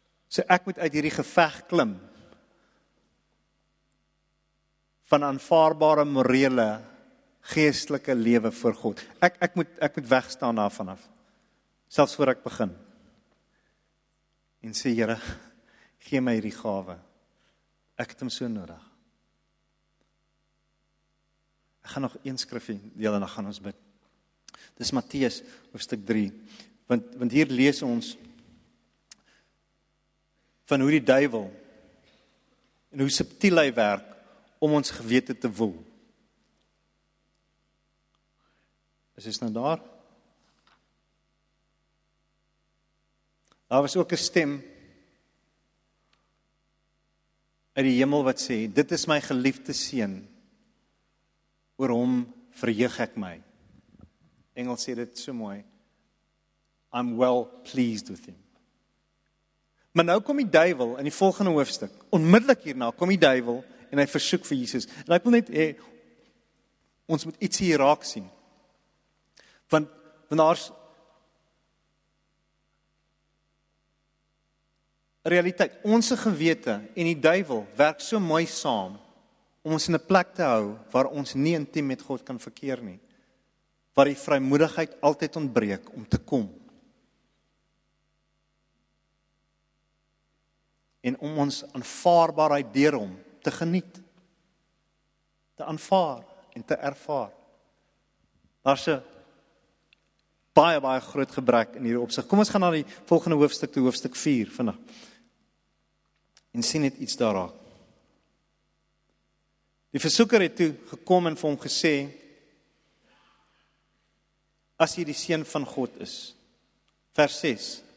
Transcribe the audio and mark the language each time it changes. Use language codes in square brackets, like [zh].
[af] So ek moet uit hierdie geveg klim van aanvaarbare morele geestelike lewe voor God. Ek moet wegstaan daarvan af. Selfs voor ek begin. En sê, Here, gee my hierdie gawe. Ek het hom so nodig. Ek gaan nog een skrifje deel en dan gaan ons bid. Dis Matteus hoofstuk 3. Want hier lees ons van hoe die duivel en hoe subtiel hy werk om ons gewete te woel. Is dit nou daar? Daar was ook 'n stem uit die hemel wat sê, dit is my geliefde seun, oor hom verheug ek my. Engels sê dit so mooi, [en] I'm well pleased with him. [af] Maar nou kom die duivel in die volgende hoofstuk, onmiddellik hierna kom die duivel en hy versoek vir Jesus. En ek wil net hê, ons moet iets hier raak sien. Want daar is realiteit, ons gewete en die duivel werk so mooi saam om ons in 'n plek te hou waar ons nie intiem met God kan verkeer nie. Waar die vrymoedigheid altyd ontbreek om te kom. En om ons aanvaarbaarheid deur hom te geniet. Te aanvaar en te ervaar. Daar's 'n baie, baie groot gebrek in hierdie opsig. Kom ons gaan na die volgende hoofstuk, toe hoofstuk 4 vandag. En sien net iets daar raak. Die versoeker het toe gekom en vir hom gesê, as jy die seun van God is. Vers 6.